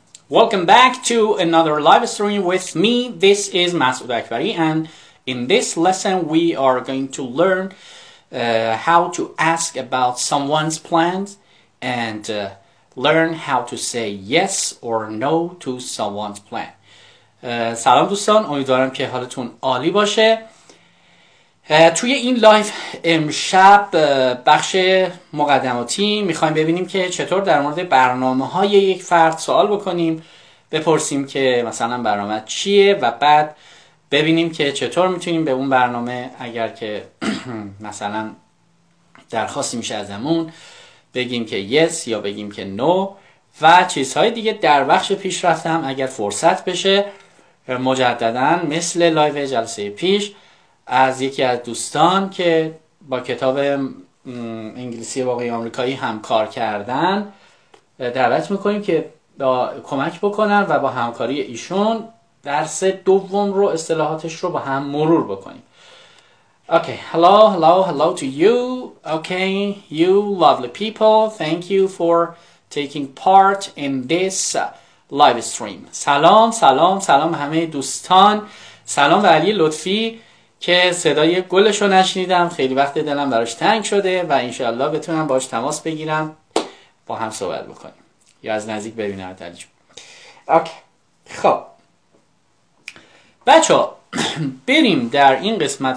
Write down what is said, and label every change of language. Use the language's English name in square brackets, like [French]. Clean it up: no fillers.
[English] Welcome back to another live stream with me. This is Masoud Akbari, and in this lesson we are going to learn how to ask about someone's plans and learn how to say yes or no to someone's plan. [Persian] سلام دوستان، امیدوارم که حالتون عالی باشه. توی این لایف امشب بخش مقدماتی میخوایم ببینیم که چطور در مورد برنامه های یک فرد سوال بکنیم، بپرسیم که مثلا برنامه چیه و بعد ببینیم که چطور میتونیم به اون برنامه، اگر که مثلا درخواستی میشه ازمون، بگیم که yes یا بگیم که no و چیزهای دیگه. در بخش پیشرفتم اگر فرصت بشه مجددن مثل لایف جلسه پیش از یکی از دوستان که با کتاب انگلیسی واقعی آمریکایی هم کار کردن دعوت میکنیم که با کمک بکنن و با همکاری ایشون درس دوم رو اصطلاحاتش رو با هم مرور بکنیم. [English] Okay, hello, hello, hello to you. Okay, you lovely people, thank you for taking part in this live stream. [Persian] سلام، سلام، سلام همه دوستان. سلام به علی لطفی که صدای گلش رو نشنیدم، خیلی وقت دلم براش تنگ شده و انشاءالله بتونم باهاش تماس بگیرم با هم صحبت بکنیم یا از نزدیک ببینم. علی جون خب بچه ها، بریم در این قسمت.